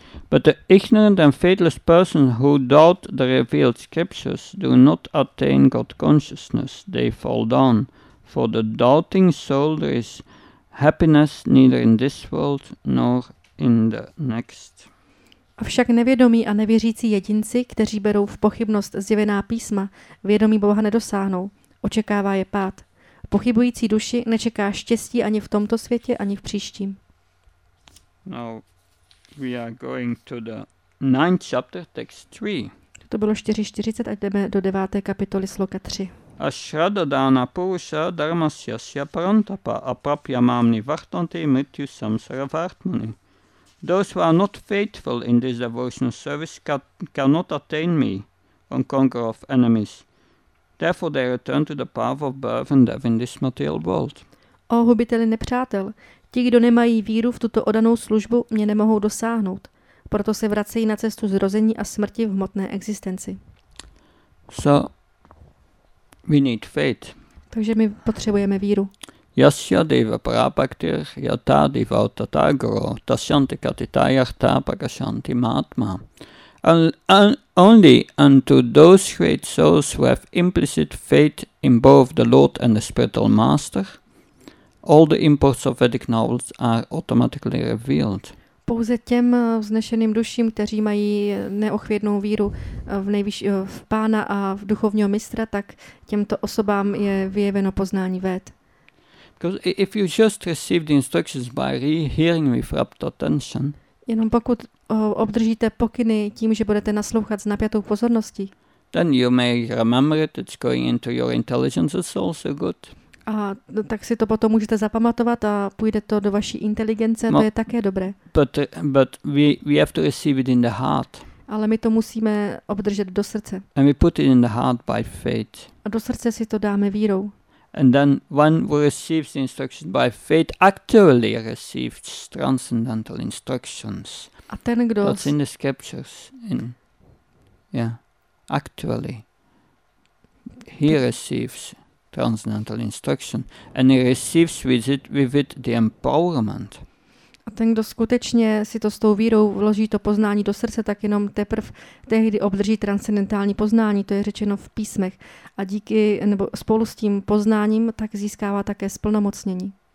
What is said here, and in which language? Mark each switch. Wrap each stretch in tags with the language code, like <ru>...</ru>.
<en>But the ignorant and faithless persons who doubt the revealed scriptures do not attain God consciousness. They fall down. For the doubting soul there is happiness neither in this world nor in the next.</en> <cs>Avšak nevědomí a nevěřící jedinci, kteří berou v pochybnost zjevená písma, vědomí Boha nedosáhnou, očekává je pád. Pochybující duši nečeká štěstí ani v tomto světě, ani v příštím.</cs> <en>Now we are going to the 9th chapter, text 3.</en> <cs>To bylo 4.40 a jdeme do 9. kapitoly sloka 3.</cs> <sa>Ashrada dana purusha dharmasya syaparantapa aprapya mamni vartante mrityu samsara vartmani.</sa> <en>Those who are not faithful in this devotional service cannot attain me, O conqueror of enemies. Therefore they return to the path of birth and death in this material world.</en> <cs>O hubiteli nepřátel, ti, kdo nemají víru v tuto odanou službu, mě nemohou dosáhnout. Proto se vracejí na cestu zrození a smrti v hmotné existenci.</cs> <en>So we need faith.</en> <cs>Takže my potřebujeme víru.</cs> <sa>Yasya deva prapaktir yata divauta tagro tasyanti katitayakta prakashanti matma.</sa> <en>Only unto those great souls who have implicit faith in both the Lord and the Spiritual Master, all the imports of Vedic knowledge are automatically revealed.</en> <cs>Pouze těm vznešeným duším, kteří mají neochvědnou víru v nejvyšší v pána a v duchovního mistra, tak těmto osobám je vyjeveno poznání véd.</cs> <en>Because if you just received instructions by hearing with rapt attention,</en> <cs>jenom pokud obdržíte pokyny tím, že budete naslouchat s napjatou pozorností,</cs> <en>then you may remember it, it's going into your intelligence, it's also good.</en> <cs>A tak si to potom můžete zapamatovat a půjde to do vaší inteligence, to je také dobré.</cs> <en>But we have to receive it in the heart.</en> <cs>Ale my to musíme obdržet do srdce.</cs> <en>And we put it in the heart by faith.</en> <cs>A do srdce si to dáme vírou.</cs> <en>And then one who receives instructions by faith actually receives transcendental instructions.</en> <cs>A ten, kdo...</cs> <en>That's in the scriptures. Actually. He receives transcendental instruction and he receives with it the empowerment.</en> <cs>A ten, kdo skutečně si to s tou vírou vloží to poznání do srdce, tak jenom teprve tehdy obdrží transcendentální poznání, to je řečeno v písmech. A díky nebo spolu s tím poznáním tak získává také splnomocnění.</cs>